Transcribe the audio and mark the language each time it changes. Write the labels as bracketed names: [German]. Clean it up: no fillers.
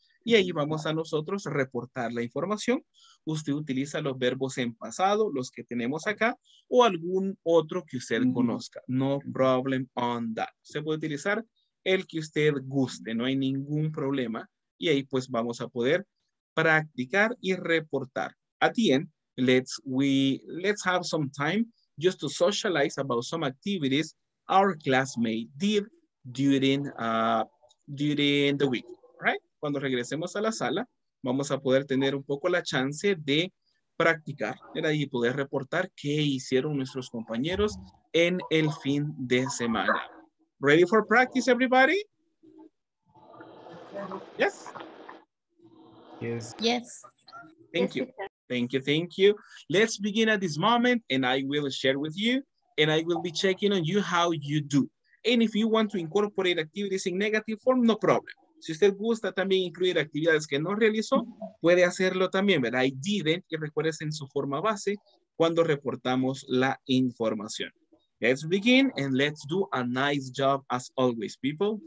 [Spanish] Y ahí vamos a nosotros reportar la información. Usted utiliza los verbos en pasado, los que tenemos acá, o algún otro que usted conozca. [English] No problem on that. [Spanish] Se puede utilizar el que usted guste, no hay ningún problema. Y ahí pues vamos a poder practicar y reportar. [English] At the end, let's have some time just to socialize about some activities our classmate did during the week, right? [Spanish] Cuando regresemos a la sala, vamos a poder tener un poco la chance de practicar y poder reportar qué hicieron nuestros compañeros en el fin de semana. [English] Ready for practice, everybody? Yes. Thank you. Let's begin at this moment and I will share with you and I will be checking on you how you do. And if you want to incorporate activities in negative form, no problem. [Spanish] Si usted gusta también incluir actividades que no realizó, puede hacerlo también, ¿verdad? [English] I didn't, [Spanish] y recuérdese en su forma base cuando reportamos la información. [English] Let's begin and let's do a nice job as always, people.